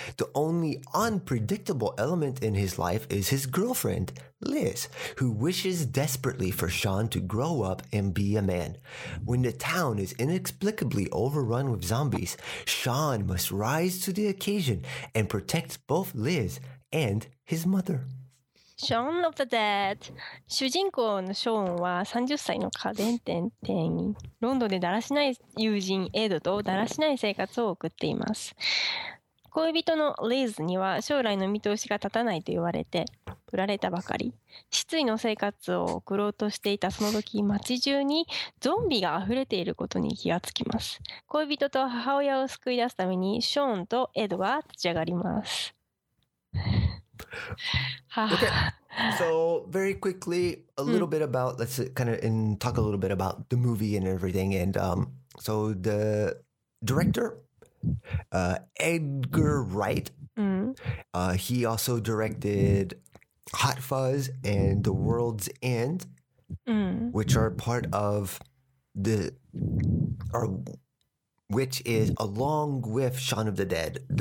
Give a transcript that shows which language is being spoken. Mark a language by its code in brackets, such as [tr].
[en] The only unpredictable element in his life is his girlfriend, Liz, who wishes desperately for Sean to grow up and be a man. When the town is inexplicably overrun with zombies, Sean must rise to the occasion and protect both Liz and his mother. Sean of the Dead. [ja] 主人公のショーンは30歳の家電店店員。ロンドンでだらしない友人エドとだらしない生活を送っています。恋人のリズには将来の見通しが立たないと言われて売られたばかり。失意の生活を送ろうとしていたその時、街中にゾンビが溢れていることに気がつきます。恋人と母親を救い出すためにショーンとエドは立ち上がります。 [en] Okay, so very quickly, a little bit about, let's kind of in, talk a little bit about the movie and everything. And so the director, Edgar Wright, he also directed Hot Fuzz and The World's End, which are part of the, or which is along with Shaun of the Dead.